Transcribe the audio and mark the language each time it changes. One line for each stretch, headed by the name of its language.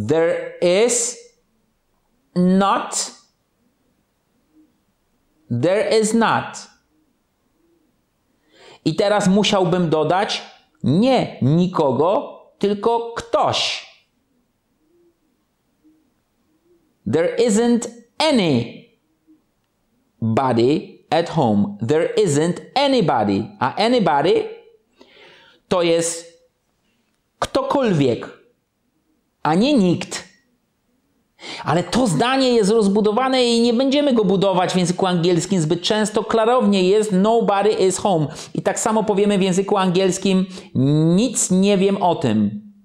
English: There is not. There is not.
Polish: I teraz musiałbym dodać nie nikogo, tylko ktoś.
English: There isn't any body at home. There isn't anybody.
Polish: A anybody to jest ktokolwiek, a nie nikt. Ale to zdanie jest rozbudowane i nie będziemy go budować w języku angielskim zbyt często. Klarownie jest:
English: nobody is home.
Polish: I tak samo powiemy w języku angielskim: nic nie wiem o tym.